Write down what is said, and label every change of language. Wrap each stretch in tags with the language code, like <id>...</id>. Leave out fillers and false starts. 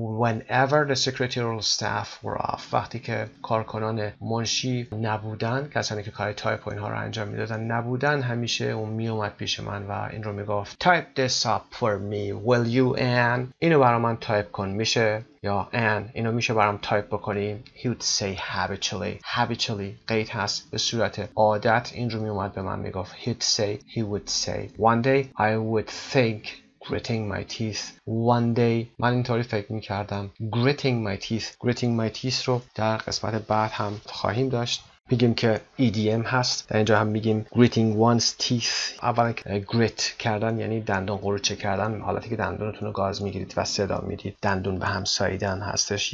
<en>Whenever the secretarial staff were off</en> <fa>وقتی که کارکنان منشی نبودن کسانی که کار تایپ و اینها رو انجام میدادن نبودن همیشه اون میومد پیش من و این رو میگفت</fa> <en>type this up for me will you</en> <fa>and اینو برا من تایپ کن میشه یا and اینو میشه برام تایپ بکنی.</fa> <en>He would say habitually.</en> <fa>Habitually قید هست به صورت عادت این رو میومد به من میگفت.</fa> <en>He'd say. He would say. One day I would think gritting my teeth. One day</en> <fa>من اینطوری فکر میکردم.</fa> <en>Gritting my teeth. Gritting my teeth</en> <fa>رو در قسمت بعد هم خواهیم داشت. میگیم که EDM هست در اینجا هم میگیم</fa> <en>gritting one's teeth.</en> <fa>اول grit کردن یعنی دندون قروچه کردن حالتی که دندونتون رو گاز میگیرید و صدا میدید دندون به هم ساییدن هستش.</fa>